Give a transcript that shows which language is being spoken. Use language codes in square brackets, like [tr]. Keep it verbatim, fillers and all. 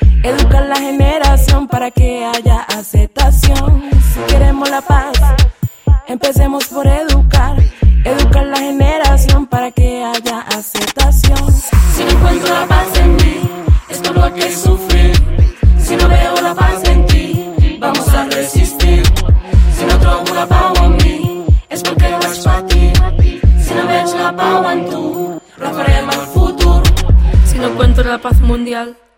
[es] Educar la generación para que haya aceptación. Si queremos la paz, empecemos por educar. Educar la generación para que haya aceptación. Si no encuentro la paz en mí, esto no hay que sufrir. Si no veo la paz en ti, vamos a resistir. [ca] Si no trobo la pau en mi, [es] es porque [ca] no és per ti. Si no veig la pau en tu, referem al futur. [es] Si no encuentro la paz mundial.